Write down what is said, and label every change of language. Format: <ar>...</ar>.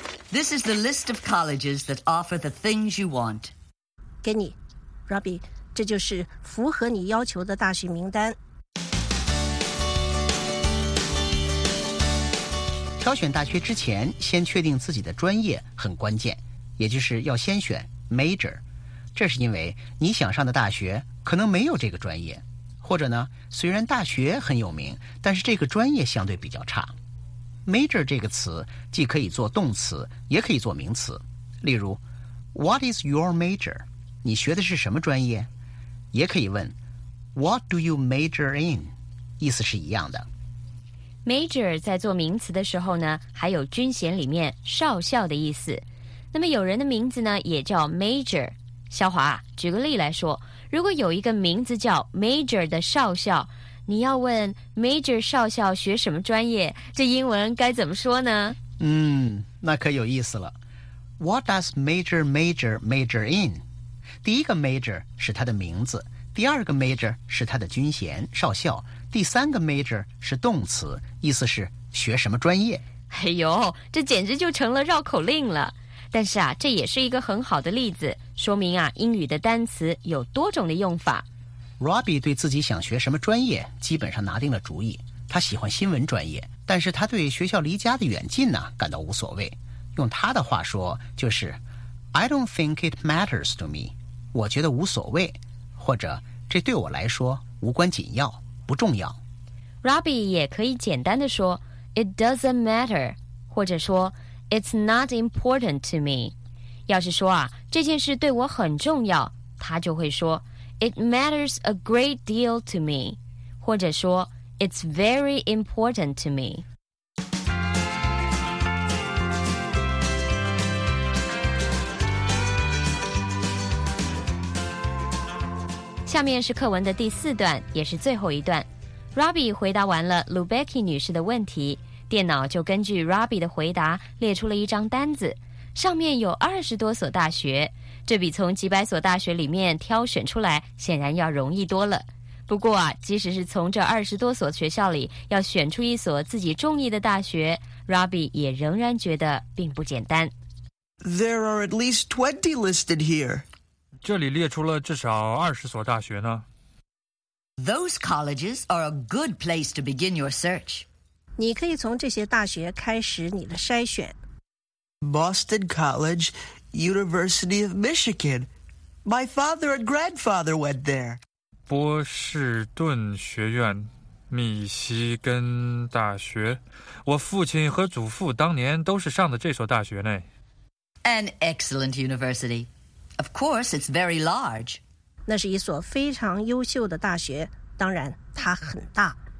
<en>This is the list of colleges that offer the things you want.</en> <zh>给你 ，Robbie， 这就是符合你要求的大学名单。挑选大学之前，先确定自己的专业很关键，也就是要先选 major。这是因为你想上的大学可能没有这个专业，或者呢，虽然大学很有名，但是这个专业相对比较差。 Major 这个词既可以做动词，也可以做名词。例如</zh> <en>，What is your major？</en> <zh>你学的是什么专业？也可以问</zh> <en>，What do you major in？</en> <zh>意思是一样的。 Major 在做名词的时候呢，还有军衔里面少校的意思。那么有人的名字呢，也叫 Major。肖华，举个例来说，如果有一个名字叫 Major 的少校。你要问 Major 少校学什么专业，这英文该怎么说呢？那可有意思了。</zh> <en>What does Major Major Major in?</en> <zh>第一个 Major 是他的名字，第二个 Major 是他的军衔少校，第三个 Major 是动词，意思是学什么专业。哎呦，这简直就成了绕口令了。但是啊，这也是一个很好的例子，说明啊，英语的单词有多种的用法。 Robbie 对自己想学什么专业基本上拿定了主意，他喜欢新闻专业，但是他对学校离家的远近呢感到无所谓。用他的话说，就是</zh> <en>I don't think it matters to me.</en> <zh>我觉得无所谓，或者这对我来说无关紧要，不重要。 Robbie 也可以简单地说</zh> <en>It doesn't matter，</en> <zh>或者说</zh> <en>It's not important to me。</en> <zh>要是说啊，这件事对我很重要，他就会说</zh> <en>It matters a great deal to me，</en> <zh>或者说</zh> <en>It's very important to me。</en> <zh>下面是课文的第四段，也是最后一段。Robbie 回答完了 Lubecki 女士的问题，电脑就根据 Robbie 的回答列出了一张单子，上面有20多所大学，这比从几百所大学里面挑选出来显然要容易多了。不过啊，即使是从这20多所学校里要选出一所自己中意的大学， Robbie 也仍然觉得并不简单。</zh> <en>There are at least 20 listed here.</en> <zh>这里列出了至少20所大学呢。</zh> <en>Those colleges are a good place to begin your search.</en> <zh>你可以从这些大学开始你的筛选。</zh> <en>Boston College, University of Michigan. My father and grandfather went there.</en> <zh>波士顿学院，密西根大学。我父亲和祖父当年都是上的这所大学呢。</zh> <en>An excellent university. Of course, it's very large.</en> <zh>那是一所非常优秀的大学，当然它很大。</zh>